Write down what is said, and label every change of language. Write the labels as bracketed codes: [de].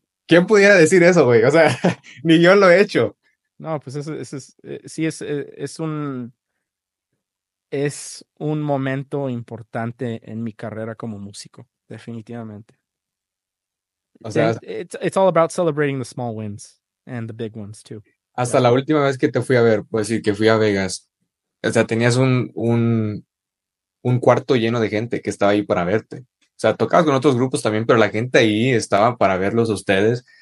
[es] ¿Quién pudiera decir eso, güey? O sea, ni yo lo he hecho. No, pues es un momento importante en mi carrera como músico, definitivamente. O sea, [en] it's all about celebrating the small wins and the big ones too. [es] Hasta la última vez que te fui a ver, puedo decir que fui a Vegas. O sea, tenías un cuarto lleno de gente que estaba ahí para verte. O sea, tocabas con otros grupos también, pero la gente ahí estaba para verlos a ustedes.